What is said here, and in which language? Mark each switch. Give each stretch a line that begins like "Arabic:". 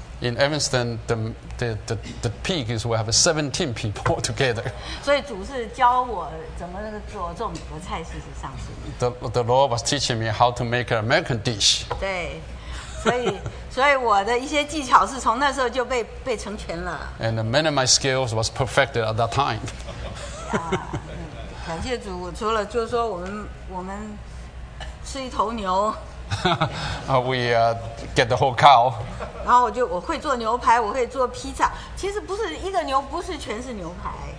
English: In Evanston, the peak is we have 17 people together.
Chinese: 所以主是教我怎么做做美国菜，事实上是。
English: The Lord was teaching me how to make an American dish.
Chinese: 对，所以我的一些技巧是从那时候就被成全了。
English: And many of my skills was perfected at that time.
Chinese: 感谢主，除了就是说我们吃一头牛。
English: We get the whole cow.
Chinese: 然后我会做牛排，我会做披萨。其实不是一个牛，不是全是牛排。